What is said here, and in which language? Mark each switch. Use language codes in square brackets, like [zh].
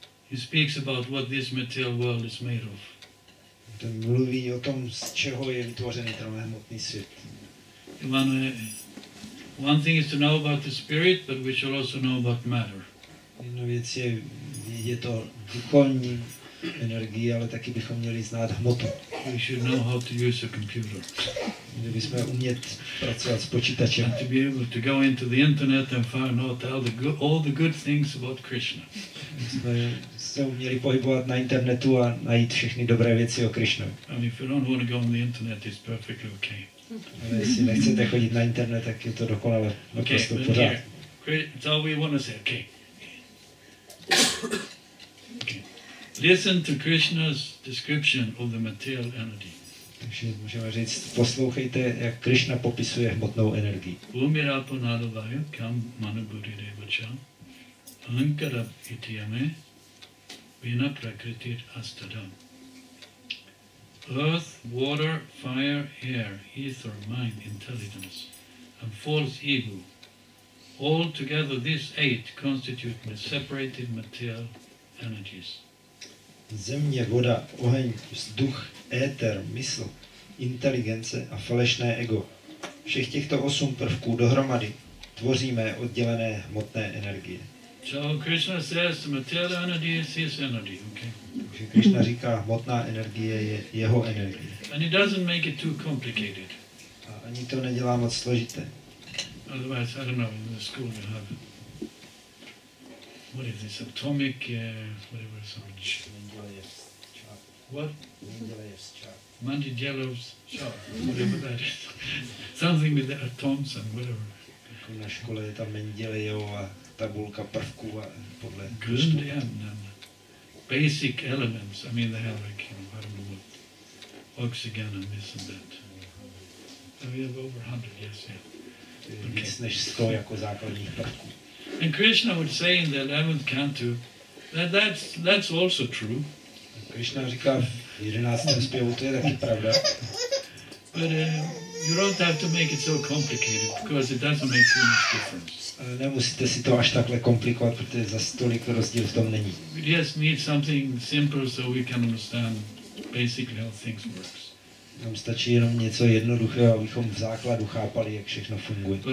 [en] He speaks about what this material world is made of. [cs] Ten mluví o tom, z čeho je vytvořený tenhle hmotný svět. [en] One thing is to know about the spirit, but we should also know about matter. [cs] Jedna věc je vědět o duchovní energii, ale taky bychom měli znát hmotu. [en] We should know how to use a computer. [cs] Měli bychom umět pracovat s počítačem. [en] And to be able to go into the internet and find out all the good things about Krishna. [cs] Se uměli pohybovat na internetu a najít všechny dobré věci o Krishnu. [en] And if you don't want to go on the internet, it's perfectly okay. [cs] Ale jestli nechcete chodit na internet, tak je to dokonale. [en] Okay, [cs] prostě pořád. [en] That's all we want to say, okay. Okay. Listen to Krishna's description of the material energy. [cs] Takže můžeme říct, poslouchejte, jak Krishna popisuje hmotnou energii. [sa] Umirapo nadavaya kam manubhuti devacha ahankara ityame vina prakritir astadam. [en] Earth, water, fire, air, ether, mind, intelligence, and false ego. All together, these eight constitute the separated material energies. [cs] Země, voda, oheň, vzduch, éter, mysl, inteligence a falešné ego. Všech těchto osm prvků dohromady tvoříme oddělené hmotné energie. [en] So Krishna says the material energy is his energy, okay? [cs] Takže Krishna říká, hmotná energie je jeho energie. [en] And it doesn't make it too complicated. [cs] A ani to nedělá moc složité. [en] Otherwise, I don't know, in the school you have it. What is this, atomic, whatever it's called? Mendeleev's chart. What? Mendeleev's chart. Mendeleev's chart, whatever that is. Something with the atoms and whatever. [cs] Jako na škole je tam Mendelejová tabulka prvků a podle... [en] Grundian, basic elements, I mean, they have like, you know, I don't know what, oxygen and this and that. We have over 100, yes, yeah. Okay. [cs] Víc než 100 jako základních prvků. [en] And Krishna would say in the 11th canto that that's also true. [cs] A Krishna říká v 11. zpěvu, to je taky pravda. [en] But you don't have to make it so complicated, because it doesn't make too much difference. [cs] Nemusíte si to až takhle komplikovat, protože zase tolik rozdíl v tom není. [en] We just need something simple so we can understand basically how things work. [cs] Nám stačí jenom něco jednoduchého, abychom v základu chápali, jak všechno funguje.